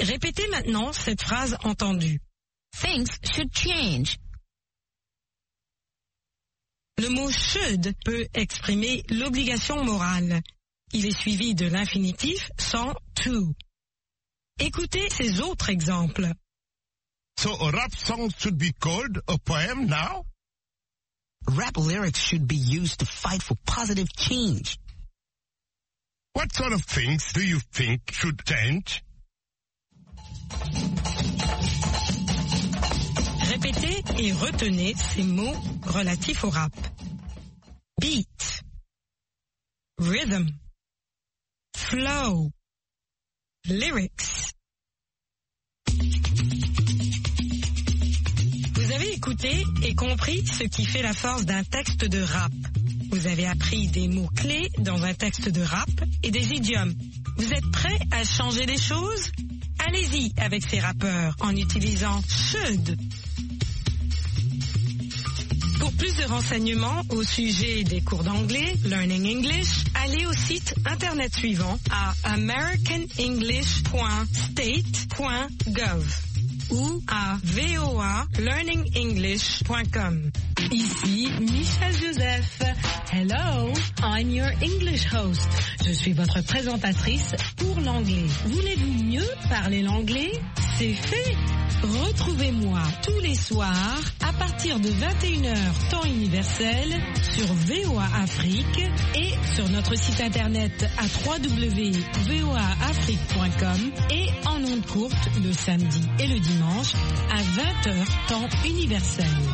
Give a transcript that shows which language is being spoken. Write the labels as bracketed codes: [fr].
[fr] Répétez maintenant cette phrase entendue. [en] Things should change. [fr] Le mot « should » peut exprimer l'obligation morale. Il est suivi de l'infinitif sans « to ». Écoutez ces autres exemples. [en] So a rap song should be called a poem now? Rap lyrics should be used to fight for positive change. What sort of things do you think should change? [fr] Répétez et retenez ces mots relatifs au rap. [en] Beat, rhythm, flow, lyrics. [fr] Vous avez écouté et compris ce qui fait la force d'un texte de rap. Vous avez appris des mots clés dans un texte de rap et des idiomes. Vous êtes prêt à changer des choses? Allez-y avec ces rappeurs en utilisant « should ». Pour plus de renseignements au sujet des cours d'anglais, Learning English, allez au site internet suivant à americanenglish.state.gov. ou à voalearningenglish.com. Ici Michel Joseph. [en] Hello, I'm your English host. [fr] Je suis votre présentatrice pour l'anglais. Voulez-vous mieux parler l'anglais? C'est fait! Retrouvez-moi tous les soirs à partir de 21h temps universel sur VOA Afrique et sur notre site internet à www.voaafrique.com et en ondes courtes le samedi et le dimanche à 20h temps universel.